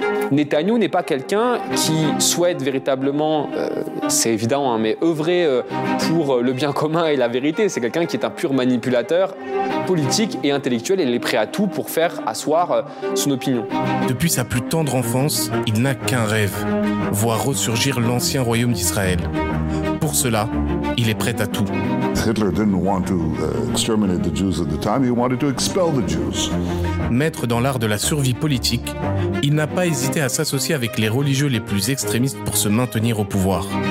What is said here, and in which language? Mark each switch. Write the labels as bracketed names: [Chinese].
[French] Netanyahu n'est pas quelqu'un qui souhaite véritablement, c'est évident, hein, mais œuvrer pour le bien commun et la vérité. C'est quelqu'un qui est un pur manipulateur politique et intellectuel et il est prêt à tout pour faire asseoir son opinion. Depuis sa plus tendre enfance, il n'a qu'un rêve, voir ressurgir l'ancien royaume d'Israël. Pour cela, il est prêt à tout. [English] Hitler didn't want to exterminate the Jews at the time, he wanted to expel the Jews. [French] Maître dans l'art de la survie politique, il n'a pas hésité à s'associer avec les religieux les plus extrémistes pour se maintenir au pouvoir.